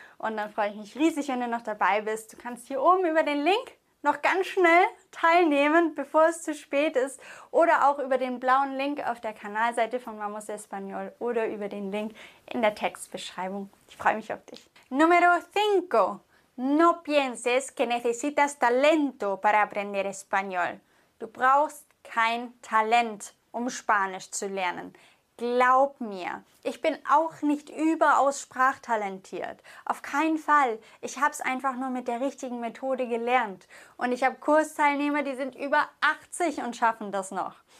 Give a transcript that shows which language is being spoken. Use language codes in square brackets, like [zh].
[de] Und dann freue ich mich riesig, wenn du noch dabei bist. Du kannst hier oben über den Link noch ganz schnell teilnehmen, bevor es zu spät ist. Oder auch über den blauen Link auf der Kanalseite von Vamos Español oder über den Link in der Textbeschreibung. Ich freue mich auf dich. [es] Número 5. No pienses que necesitas talento para aprender español. [de] Du brauchst kein Talent, um Spanisch zu lernen. Glaub mir, ich bin auch nicht überaus sprachtalentiert. Auf keinen Fall. Ich habe es einfach nur mit der richtigen Methode gelernt. Und ich habe Kursteilnehmer, die sind über 80 und schaffen das noch.